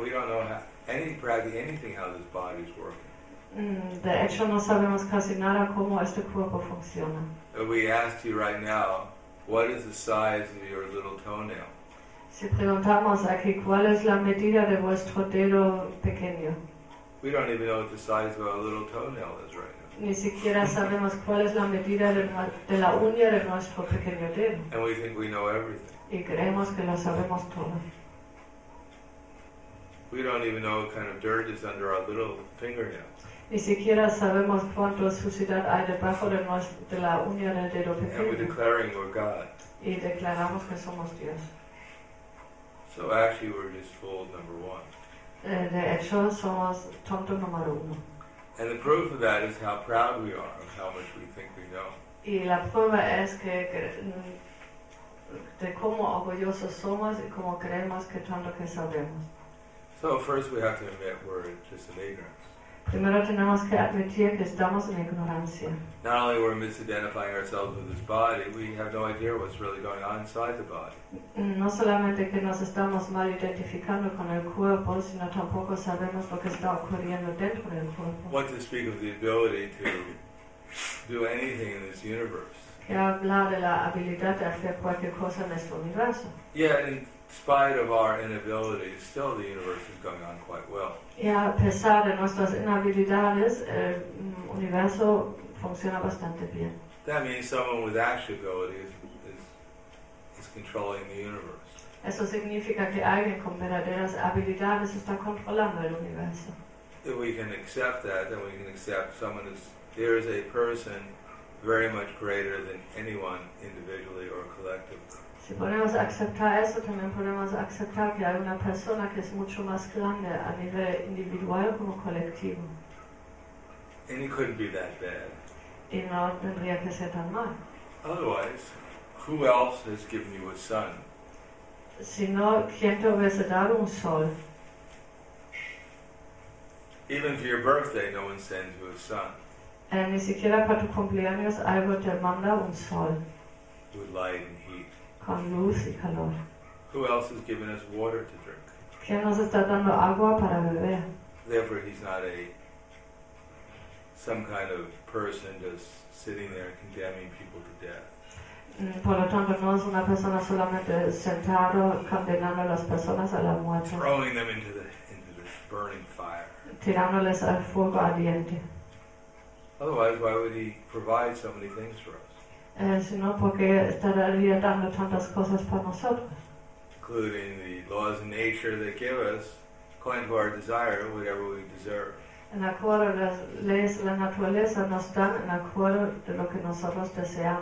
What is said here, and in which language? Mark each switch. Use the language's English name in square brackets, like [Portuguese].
[English] We don't know practically anything how this body is working. [Spanish] De hecho, no sabemos casi nada cómo este cuerpo funciona. [English] If we asked you right now, what is the size of your little toenail? [Spanish] Si preguntamos aquí, ¿cuál es la medida de vuestro dedo pequeño? [English] We don't even know what the size of our little toenail is right now. [Spanish] Ni siquiera sabemos cuál es la medida de la uña de nuestro pequeño dedo. [English] And we think we know everything. [Spanish] Y creemos que lo sabemos todo. [English] We don't even know what kind of dirt is under our little fingernails. [Spanish] Ni siquiera sabemos cuánto suciedad hay debajo de la uña del dedo pequeño. [English] And we're declaring we're God. [Spanish] Y declaramos que somos Dios. [English] So actually, we're just fool number one. [Spanish] De hecho, somos tonto número uno. [English] And the proof of that is how proud we are of how much we think we know. [Spanish] Y la prueba es que de cómo orgullosos somos y cómo creemos que tanto que sabemos. [English] So first, we have to admit we're just in ignorance. [Spanish] Primero tenemos que admitir que estamos en ignorancia. [English] Not only we're misidentifying ourselves with this body, we have no idea what's really going on inside the body. [Spanish] No solamente que nos estamos mal identificando con el cuerpo, sino tampoco sabemos lo que está ocurriendo dentro del cuerpo. [English] What to speak of the ability to do anything in this universe. [Spanish] Que hablar de la habilidad de hacer cualquier cosa en este universo. [English] Yeah, in spite of our inability, still the universe is going on quite well. [Spanish] Y a pesar de nuestras inhabilidades, el universo funciona bastante bien. [English] That means someone with actual ability is controlling the universe. [Spanish] Eso significa que alguien con verdaderas habilidades está controlando el universo. [English] If we can accept that, then we can accept someone as there is a person very much greater than anyone individually or collectively. [Spanish] Si podemos aceptar eso, también podemos aceptar que hay una persona que es mucho más grande a nivel individual como colectivo. [English] And it couldn't be that bad. [Spanish] Y no tendría que ser tan mal. [English] Otherwise, who else has given you a sun? [Spanish] Si no, ¿quién te hubiese dado un sol? [English] Even for your birthday, no one sends you a sun. [Spanish] Ni siquiera para tu cumpleaños algo te manda un sol. [English] With light and heat. [Spanish] Con luz y calor. [English] Who else has given us water to drink? [Spanish] ¿Quién nos está dando agua para beber? [English] Therefore, he's not some kind of person just sitting there condemning people to death. [Spanish] Por lo tanto, no es una persona solamente sentado condenando a las personas a la muerte. [English] Throwing them into the burning fire. [Spanish] Tirándoles al fuego ardiente. [English] Otherwise, why would he provide so many things for us? [Spanish] Sino porque estaría dando tantas cosas para nosotros. [English] Including the laws of nature that give us, according to our desire, whatever we deserve. [Spanish] En acuerdo a las leyes de la naturaleza, nos dan en acuerdo de lo que nosotros deseamos.